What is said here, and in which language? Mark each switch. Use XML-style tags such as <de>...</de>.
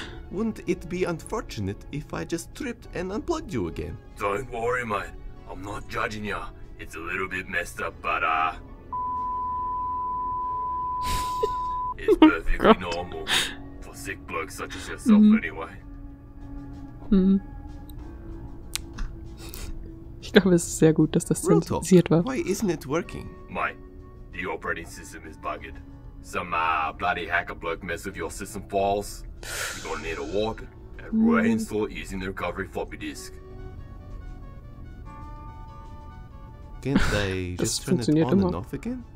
<en>Wouldn't it be unfortunate if I just tripped and unplugged you again? Don't worry, mate. I'm not judging you. It's a little bit messed up, but It's perfectly normal for sick blokes such as yourself, anyway. Hm.</en> <de>Ich glaube, es ist sehr gut, dass das zensiert war.</de> <en>Why isn't it working? Mate, the operating system is bugged. Some bloody hacker bloke mess with your system files. You're gonna need a warp and reinstall using the recovery floppy disk. Can't they just turn it on and off again?</en>